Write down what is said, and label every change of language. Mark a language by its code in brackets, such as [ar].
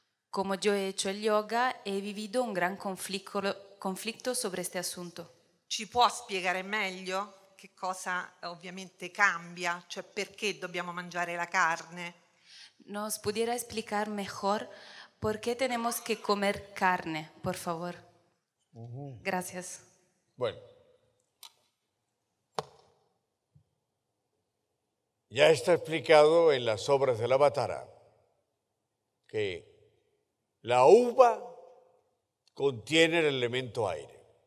[es] Como yo he hecho el yoga, he vivido un gran conflicto. Conflicto sobre este asunto. [it] Ci può spiegare meglio? che cosa ovviamente cambia, cioè perché dobbiamo mangiare la carne. [es] ¿Nos pudiera explicar mejor por qué tenemos que comer carne, por favor? Gracias. Bueno. Ya está explicado en las obras del Avatar que la uva contiene el elemento aire.